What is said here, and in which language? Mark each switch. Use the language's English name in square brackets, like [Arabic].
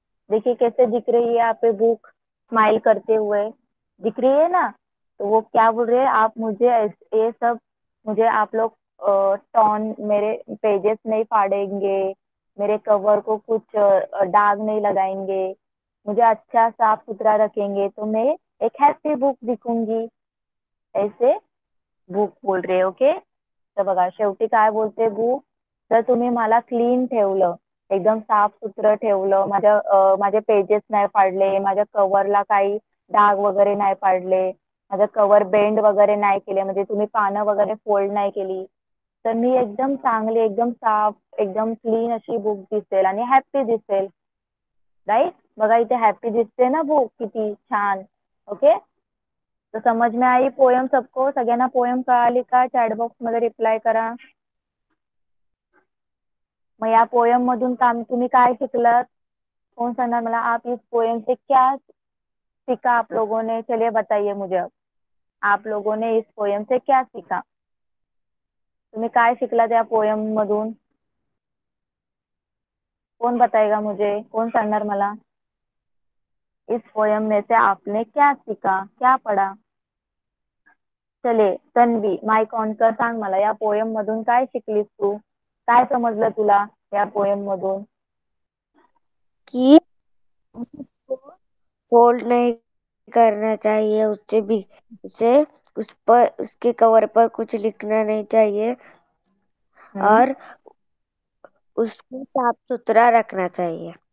[Hindi] देखिए कैसे दिख रही है यहाँ पे बुक, स्माइल करते हुए दिख रही है ना, तो वो क्या बोल रहे हैं, आप मुझे ये सब मुझे आप लोग टॉन मेरे पेजेस नहीं फाड़ेंगे, मेरे कवर को कुछ दाग नहीं लगाएंगे, मुझे अच्छा साफ सुथरा रखेंगे, तो मैं एक हैप्पी बुक दिखूंगी, ऐसे बुक बोल रहे। [Marathi] ओके, तो बघा शेवटी काय बोलते बुक, जर तुम्ही मला क्लीन ठेवलं, एकदम साफ सुथरं ठेवलं, माझे पेजेस नाही फाडले, माझ्या कवरला काही डाग वगैरे नाही पाडले, माझं कवर बेंड वगैरे नाही केले, म्हणजे तुम्ही पानं वगैरे फोल्ड नाही केली, तर मी एकदम चांगली, एकदम साफ, एकदम क्लीन अशी बुक दिसेल आणि हॅप्पी दिसेल, राईट। बघा इथे हॅप्पी दिसते ना बुक किती छान। ओके, तर [Hindi] समझ में आई पोयम सबको, [Marathi] सगळ्यांना पोयम कळाली का, चॅट बॉक्स मध्ये रिप्लाय करा। मग या पोयम मधून काम तुम्ही काय शिकलात, कोण सांगणार मला [Hindi] आप इस पोयम से क्या सीखा आप लोगों ने, चलिए बताइए मुझे, आप लोगों ने इस पोयम से क्या सीखा, [Marathi] तुम्हें काय शिकला त्या पोयम मधून, [Hindi] कौन बताएगा मुझे, कौन सांगणार मला इस पोयम में से आपने क्या सीखा, क्या पढ़ा। [Marathi] चले तन्वी माइक ऑन कर, सांग मला या पोयम मधून काय शिकलीस तू, काय समजलं तुला या पोयम मधून। [Hindi] कि फोल्ड नहीं करना चाहिए, उससे भी उसे उस पर उसके कवर पर कुछ लिखना नहीं चाहिए और उसको साफ सुथरा रखना चाहिए।